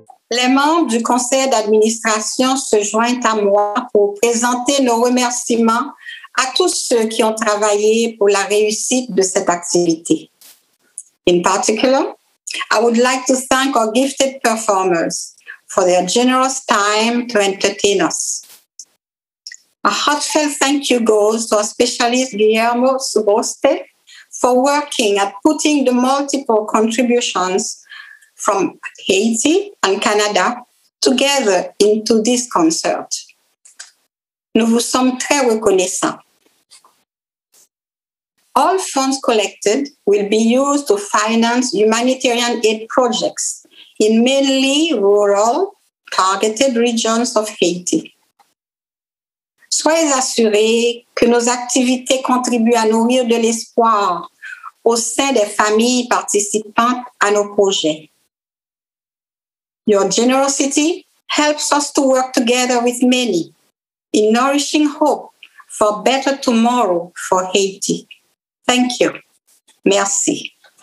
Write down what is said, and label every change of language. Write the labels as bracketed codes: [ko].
[fr] Les membres du conseil d'administration se joignent à moi pour présenter nos remerciements à tous ceux qui ont travaillé pour la réussite de cette activité. [en] In particular, I would like to thank our gifted performers for their generous time to entertain us. A heartfelt thank you goes to our specialist Guillermo Suboste for working at putting the multiple contributions from Haiti and Canada together into this concert. [fr] Nous vous sommes très reconnaissants. [en] All funds collected will be used to finance humanitarian aid projects in mainly rural, targeted regions of Haiti. [fr] Soyez assurés que nos activités contribuent à nourrir de l'espoir au sein des familles participantes à nos projets. [en] Your generosity helps us to work together with many in nourishing hope for a better tomorrow for Haiti. Thank you. Merci.